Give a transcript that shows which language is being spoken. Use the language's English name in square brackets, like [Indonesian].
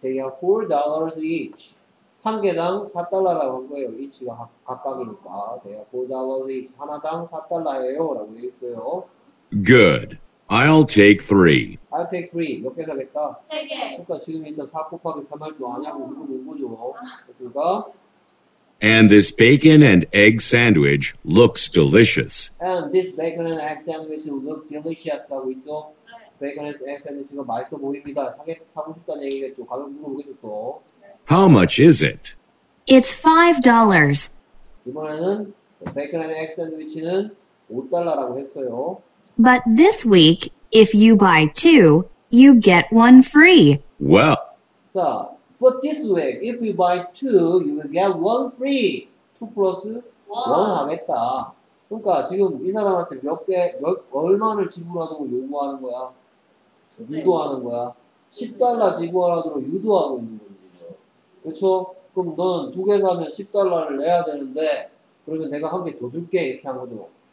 [English] They are $4 each. [Korean] 한 개당 $4라고 한 거예요. 위치가 각각이니까. 네, [English] $4 each. [Korean] 하나당 $4예요. 라고 돼 있어요. [English] Good. I'll take three. I'll take three. [Korean] 몇 개가 될까? 세 개. 그러니까 지금 이제 4 곱하기 3 할 줄 아냐고 물어보는 거죠. 그러니까. [English] And this bacon and egg sandwich looks delicious. And this bacon and egg sandwich look delicious. [Korean] 하고 있죠? 네. [English] Bacon and egg sandwich [Korean] 이거 맛있어 보입니다. 사고 싶다는 얘기겠죠. 가격 물어보겠죠 또. [English] How much is it? It's $5. [Korean] 이번에는 bacon and egg sandwich는 $5라고 했어요. [English] But this week, if you buy two, you get one free. Well. So, but this week, if you buy two, you will get one free. Two plus one 하겠다. [Korean] 그러니까 지금 이 사람한테 몇 개, 몇, 얼마를 지불하도록 요구하는 거야? 유도하는 거야? 10달러 지불하도록 유도하고 있는 거지. 그렇죠? 그럼 너는 두 개 사면 10달러를 내야 되는데, 그러면 내가 한 개 더 줄게. 이렇게 한 거죠.